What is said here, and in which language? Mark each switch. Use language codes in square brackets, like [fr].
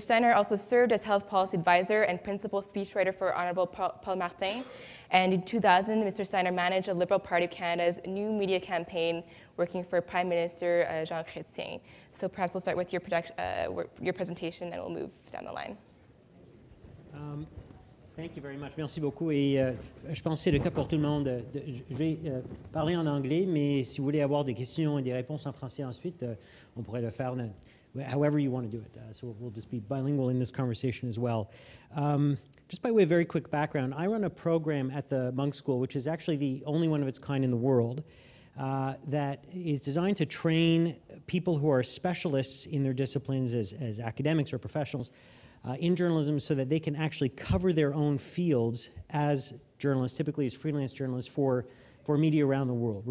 [en] Steiner also served as health policy advisor and principal speechwriter for Honorable Paul Martin. And in 2000, Mr. Steiner managed the Liberal Party of Canada's new media campaign, working for Prime Minister Jean Chrétien. So perhaps we'll start with your presentation, and we'll move down the line. Thank you very much. [fr] Merci beaucoup. Et je pense que c'est le cas pour tout le monde. Je vais parler en anglais, mais si vous voulez avoir des questions et des réponses en français ensuite, on pourrait le faire. [en] However you want to do it. So we'll just be bilingual in this conversation as well. Just by way of very quick background, I run a program at the Munk School, which is actually the only one of its kind in the world, that is designed to train people who are specialists in their disciplines as academics or professionals in journalism so that they can actually cover their own fields as journalists, typically as freelance journalists for media around the world.